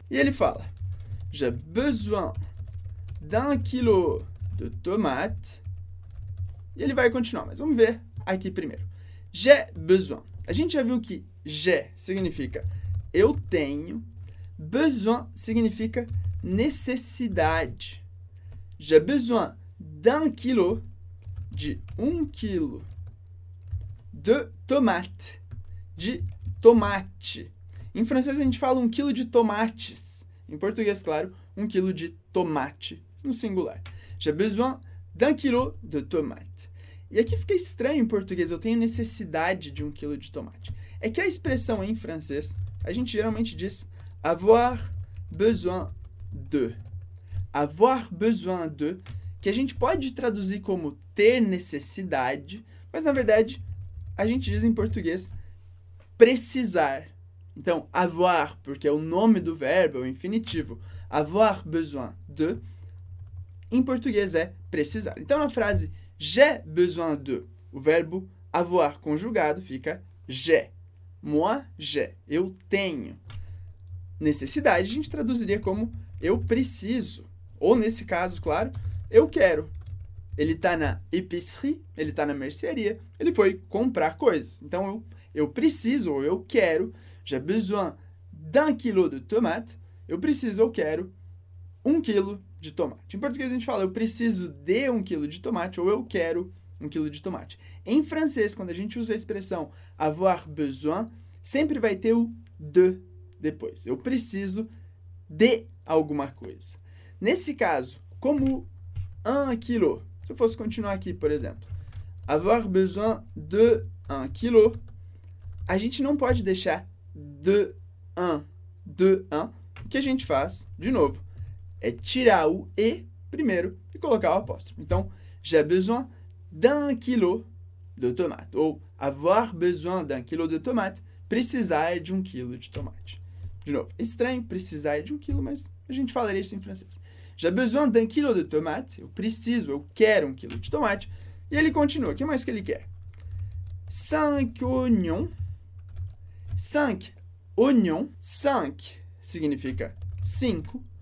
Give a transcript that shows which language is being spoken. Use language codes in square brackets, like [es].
[pt] E ele fala, [fr] j'ai besoin d'un kilo de tomate. [pt] E ele vai continuar, mas vamos ver aqui primeiro. [fr] J'ai besoin. [pt] A gente já viu que j'ai significa eu tenho. Besoin significa necessidade. J'ai besoin d'un kilo, de um quilo, de tomate, de tomate. Em francês, a gente fala um quilo de tomates. Em português, claro, um quilo de tomate, no singular. [fr] J'ai besoin d'un kilo de tomate. [pt] E aqui fica estranho em português, eu tenho necessidade de um quilo de tomate. É que a expressão em francês, a gente geralmente diz avoir besoin de. Avoir besoin de, que a gente pode traduzir como ter necessidade, mas, na verdade, a gente diz em português precisar. Então, avoir, porque é o nome do verbo, é o infinitivo. Avoir besoin de, em português é precisar. Então, na frase j'ai besoin de, o verbo avoir conjugado fica j'ai. [fr] Moi, j'ai. [pt] Eu tenho. Necessidade, a gente traduziria como eu preciso. Ou, nesse caso, claro, eu quero. Ele está na épicerie, ele está na mercearia, ele foi comprar coisas. Então, eu preciso ou eu quero. [fr] J'ai besoin d'un kilo de tomate. [pt] Eu preciso, eu quero um quilo de tomate. Em português a gente fala, eu preciso de um quilo de tomate ou eu quero um quilo de tomate. Em francês, quando a gente usa a expressão avoir besoin, sempre vai ter o de depois. Eu preciso de alguma coisa. Nesse caso, como un kilo, se eu fosse continuar aqui, por exemplo, avoir besoin de un kilo, a gente não pode deixar de un, o que a gente faz, de novo, é tirar o e primeiro e colocar o apóstrofo. Então, [fr] j'ai besoin d'un kilo de tomate, [pt] ou avoir besoin d'un kilo de tomate, precisar de um quilo de tomate. De novo, estranho precisar de um quilo, mas a gente falaria isso em francês. [fr] J'ai besoin d'un kilo de tomate, [pt] eu preciso, eu quero um quilo de tomate, e ele continua, o que mais que ele quer? [fr] Cinq oignons. Cinq oignons. [pt] Cinq significa cinco.